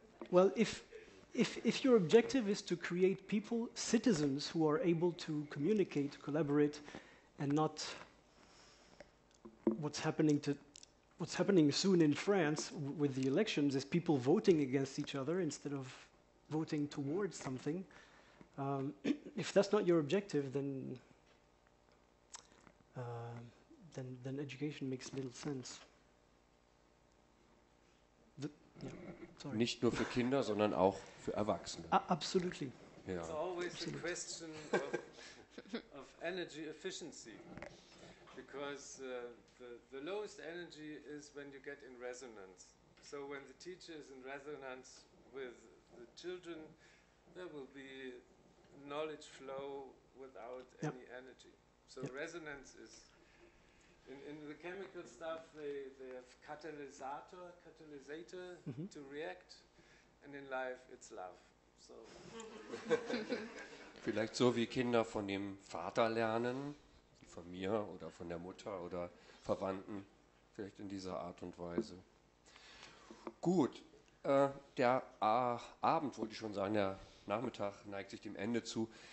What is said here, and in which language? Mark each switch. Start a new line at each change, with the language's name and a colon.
English: Well, if your objective is to create people, citizens, who are able to communicate, collaborate, and not what's happening soon in France with the elections is people voting against each other instead of voting towards something. If that's not your objective, then education makes little sense.
German: Nicht nur für Kinder, sondern auch für Erwachsene.
English: Absolutely. Yeah. It's always a question of energy efficiency, because the lowest energy is when you get in resonance. So when the teacher is in resonance with the children, there will be knowledge flow without any energy. So resonance is. In the chemical stuff, they have catalysator mm-hmm. to react, and in life it's love. So.
German: Vielleicht so wie Kinder von dem Vater lernen, von mir oder von der Mutter oder Verwandten, vielleicht in dieser Art und Weise. Gut, der Nachmittag neigt sich dem Ende zu.